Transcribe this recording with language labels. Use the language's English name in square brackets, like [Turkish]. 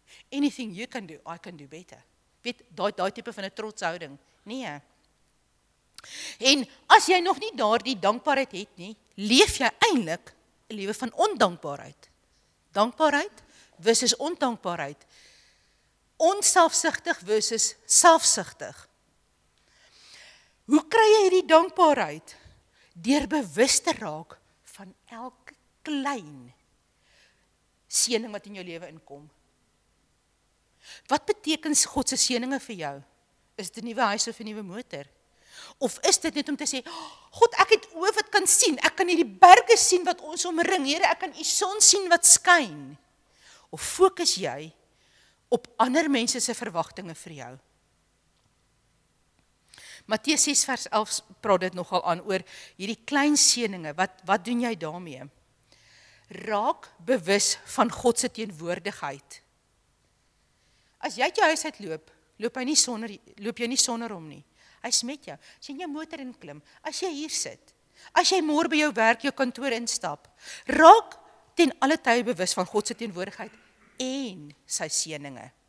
[English] Anything you can do, I can do better. [Afrikaans] Weet, daai tipe van 'n trotshouding. Nee. En as jy nog nie daardie dankbaarheid het nie, leef jy eintlik 'n lewe van ondankbaarheid. Dankbaarheid versus ondankbaarheid. Onselfsugtig versus selfsugtig. Hoe kry jy hierdie dankbaarheid? Deur bewus te raak van elke klein seëning wat in jou lewe inkom. Wat beteken God se seëninge vir jou? Is dit 'n nuwe huis of 'n nuwe motor? Of is dit net om te sê, God, ek het oë wat kan sien, ek kan hierdie berge sien wat ons omring, Here, ek kan die son sien wat skyn. of fokus jy op ander mense se verwagtinge vir jou? Matteus 6 vers 11 praat dit nogal aan oor hierdie klein seëninge. Wat doen jy daarmee? Raak bewus van God se teenwoordigheid. As jy uit jou huis uit loop, loop jy nie sonder hom nie. Hy is met jou. As jy in jou motor inklim, as jy hier sit, as jy môre by jou werk, jou kantoor instap, raak ten alle tye bewus van God se teenwoordigheid en sy seëninge.